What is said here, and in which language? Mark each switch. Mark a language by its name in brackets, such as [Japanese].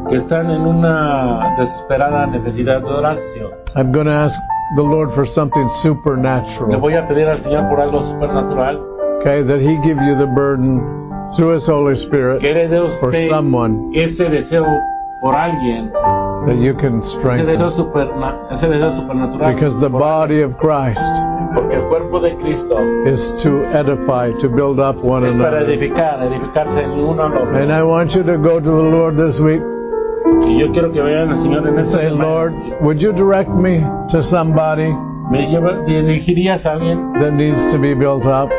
[Spanish] Que están en una desesperada necesidad de oración. [English] I'm going to ask the Lord for something supernatural. [Spanish] Le voy a pedir al Señor por algo supernatural. [English] Okay, that He give you the burden through His Holy Spirit for someone. [Spanish] Ese deseo por alguien. [English] That you can strengthen. [Spanish] Ese deseo supernatural. [English] Because the body of Christ. [Spanish] Porque el cuerpo de Cristo. [English] Is to edify, to build up one [Spanish] es [English] another. [Spanish] Para edificar, edificarse en uno al otro. [English] And I want you to go to the Lord this week. [Spanish] Y yo quiero que vayan al Señor en esta [English] Say, [Spanish] semana. [English] Lord, would you direct me to somebody that needs to be built up?